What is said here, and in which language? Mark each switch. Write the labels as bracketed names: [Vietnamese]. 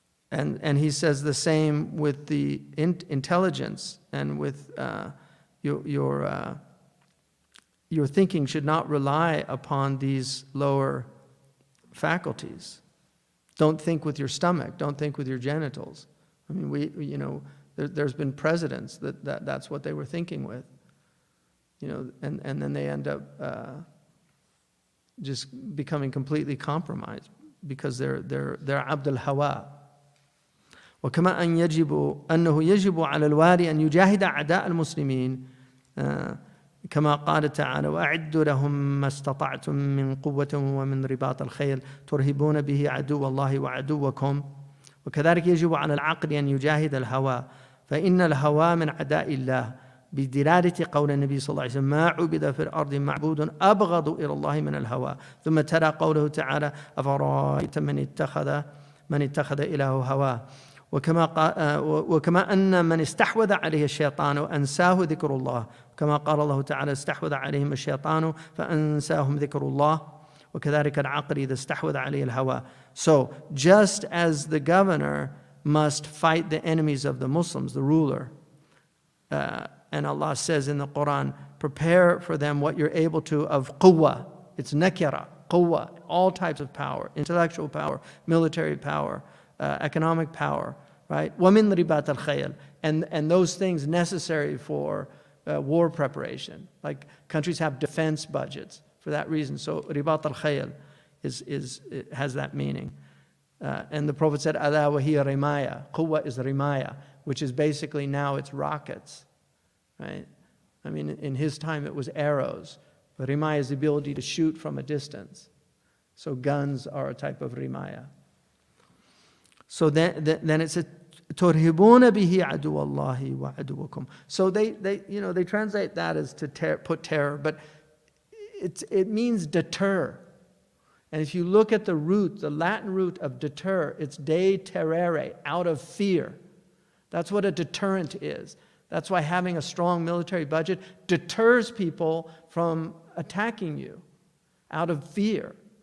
[English] And he says the same with the intelligence, and with your thinking should not rely upon these lower faculties. Don't think with your stomach. Don't think with your genitals. I mean, we, you know, There's been presidents that's what they were thinking with. You know, and then they end up just becoming completely compromised because they're Abd al-Hawa. [Arabic] وكما أن يجب أنه يجب على الواري أن يجاهد أعداء المسلمين كما قال تعالى وأعدوا لهم ما استطعتم من قوة ومن رباط الخيل ترهبون به عدو الله وعدوكم وكذلك يجب على العقل أن يجاهد الهوى فإن الهوى من عداء الله بدلالة قول النبي صلى الله عليه وسلم ما عبد في الأرض معبود أبغض إلى الله من الهوى ثم ترى قوله تعالى أفرأيت من اتخذ إله هوى وكما أن من استحوذ عليه الشيطان أنساه ذكر الله كما قال الله تعالى استحوذ عليهم الشيطان فأنساهم ذكر الله وكذلك العقل إذا استحوذ عليه الهوى. [English] So just as the governor must fight the enemies of the Muslims, the ruler, and Allah says in the Quran, prepare for them what you're able to of quwwa. It's nakira, quwwa, all types of power, intellectual power, military power, economic power, right? [Arabic] وَمِنْ رِبَاتَ الْخَيْلِ [English] and those things necessary for war preparation. Like countries have defense budgets for that reason. So ribat al-khayl has that meaning. And the Prophet said, [Arabic] أَذَا وَهِيَ رِمَايَ. قُوَّة [English] is رِمَايَ, which is basically now it's rockets, right? I mean, in his time it was arrows. But رِمَايَ is the ability to shoot from a distance. So guns are a type of رِمَايَ. [Arabic] So then it said, تُرْهِبُونَ بِهِ عَدُوَ اللَّهِ وَعَدُوَكُمْ. [English] So they you know, they translate that as to put terror, but it means deter. And if you look at the root, the Latin root of deter, it's de terere, out of fear. That's what a deterrent is. That's why having a strong military budget deters people from attacking you out of fear.